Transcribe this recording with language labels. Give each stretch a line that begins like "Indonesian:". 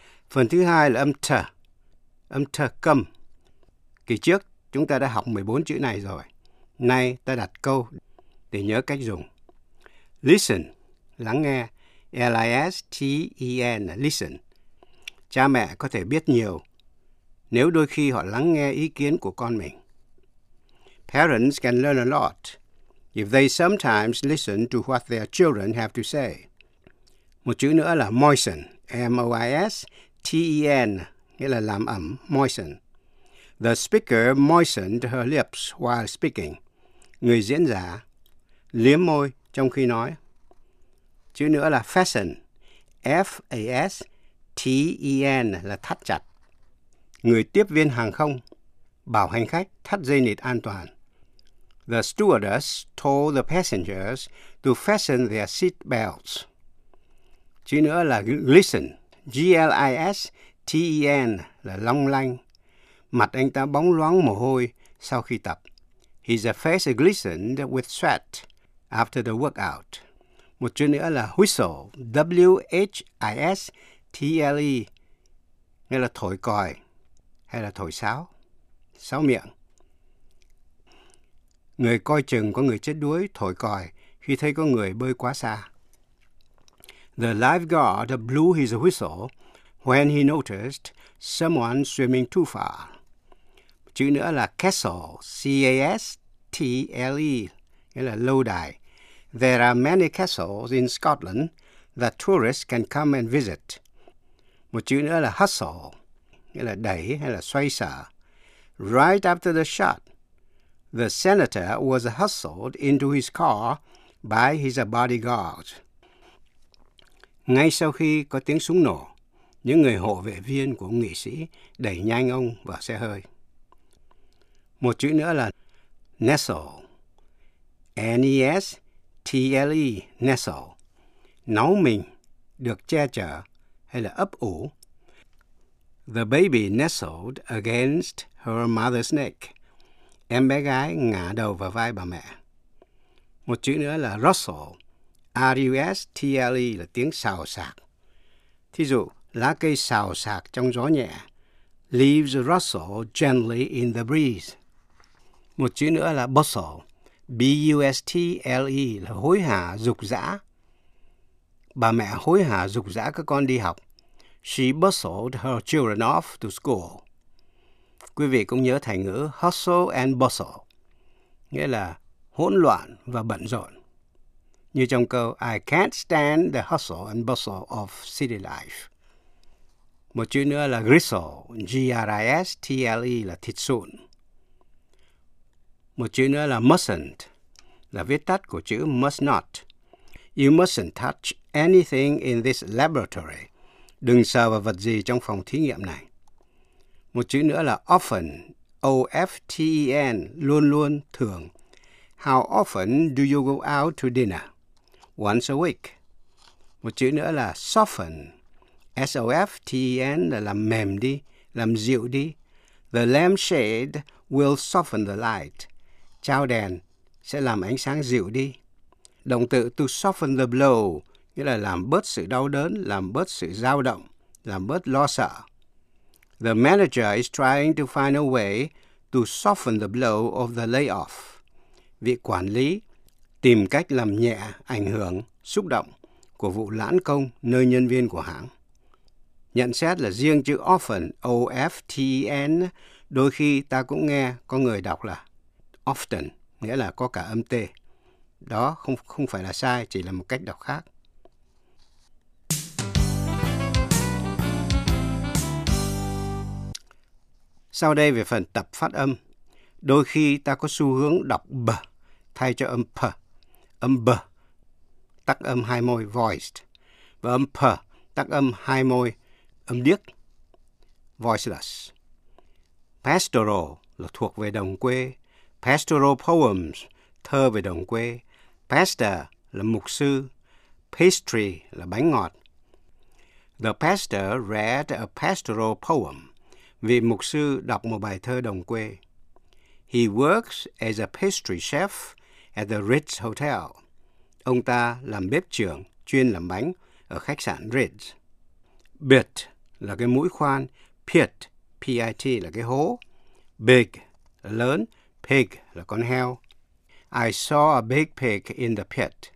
Vietnamese: Phần thứ hai là âm th câm. Kỳ trước chúng ta đã học 14 chữ này rồi. Nay ta đặt câu để nhớ cách dùng. Listen, lắng nghe, L-I-S-T-E-N, listen. Cha mẹ có thể biết nhiều nếu đôi khi họ lắng nghe ý kiến của con mình.
English: Parents can learn a lot if they sometimes listen to what their children have to say.
Vietnamese: Một chữ nữa là moisten, M-O-I-S-T-E-N, nghĩa là làm ẩm, moisten.
English: The speaker moistened her lips while speaking.
Vietnamese: Người diễn giả liếm môi trong khi nói. Chữ nữa là fasten, F-A-S-T-E-N, là thắt chặt. Người tiếp viên hàng không bảo hành khách thắt dây nịt an toàn.
English: The stewardess told the passengers to fasten their seat belts.
Vietnamese: Chữ nữa là glisten, G-L-I-S-T-E-N, là long lanh. Mặt anh ta bóng loáng mồ hôi sau khi tập.
English: His face glistened with sweat after the workout.
Vietnamese: Một chữ nữa là whistle, W-H-I-S-T-L-E, nghĩa là thổi còi hay là thổi sáo, sáo miệng. Người coi chừng có người chết đuối thổi còi khi thấy có người bơi quá xa.
English: The lifeguard blew his whistle when he noticed someone swimming too far.
Vietnamese: Chữ nữa là castle, C-A-S-T-L-E, nghĩa là lâu đài.
English: There are many castles in Scotland that tourists can come and visit.
Vietnamese: Một chữ nữa là hustle, nghĩa là đẩy hay là xoay sở.
English: Right after the shot, the senator was hustled into his car by his bodyguard.
Vietnamese: Ngay sau khi có tiếng súng nổ, những người hộ vệ viên của nghị sĩ đẩy nhanh ông vào xe hơi. Một chữ nữa là nestle, N-E-S-T-L-E, nestle, náu mình, được che chở hay là ấp ủ.
English: The baby nestled against her mother's neck.
Vietnamese: Em bé gái ngả đầu vào vai bà mẹ. Một chữ nữa là rustle, R-U-S-T-L-E, là tiếng xào xạc. Thí dụ, lá cây xào xạc trong gió nhẹ.
English: Leaves rustle gently in the breeze.
Vietnamese: Một chữ nữa là bustle, B-U-S-T-L-E, là hối hả, rục rã. Bà mẹ hối hả, rục rã các con đi học.
English: She bustled her children off to school.
Vietnamese: Quý vị cũng nhớ thành ngữ hustle and bustle, nghĩa là hỗn loạn và bận rộn. Như trong câu
English: I can't stand the hustle and bustle of city life.
Vietnamese: Một chữ nữa là gristle, G-R-I-S-T-L-E, là thịt sụn. Một chữ nữa là mustn't, là viết tắt của chữ must not.
English: You mustn't touch anything in this laboratory.
Vietnamese: Đừng sờ vào vật gì trong phòng thí nghiệm này. Một chữ nữa là often, O-F-T-E-N, luôn luôn, thường.
English: How often do you go out to dinner? Once a week.
Vietnamese: Một chữ nữa là soften, S-O-F-T-E-N, là làm mềm đi, làm dịu đi.
English: The lampshade will soften the light.
Vietnamese: Chao đèn sẽ làm ánh sáng dịu đi. Động từ to soften the blow, nghĩa là làm bớt sự đau đớn, làm bớt sự dao động, làm bớt lo sợ.
English: The manager is trying to find a way to soften the blow of the layoff.
Vietnamese: Vị quản lý tìm cách làm nhẹ ảnh hưởng, xúc động của vụ lãn công nơi nhân viên của hãng. nhận xét là riêng chữ often, O-F-T-E-N, đôi khi ta cũng nghe có người đọc là often, nghĩa là có cả âm T. Đó không phải là sai, chỉ là một cách đọc khác. Sau đây về phần tập phát âm, đôi khi ta có xu hướng đọc b thay cho âm p, âm b tắc âm hai môi voiced và âm p tắc âm hai môi âm điếc voiceless. Pastoral là thuộc về đồng quê, pastoral poems thơ về đồng quê, pastor là mục sư, pastry là bánh ngọt.
English: The pastor read a pastoral poem.
Vietnamese: Vị mục sư đọc một bài thơ đồng quê.
English: He works as a pastry chef at the Ritz Hotel.
Vietnamese: Ông ta làm bếp trưởng chuyên làm bánh ở khách sạn Ritz. Bit là cái mũi khoan, pit, P-I-T là cái hố. Big là lớn, pig là con heo.
English: I saw a big pig in the pit.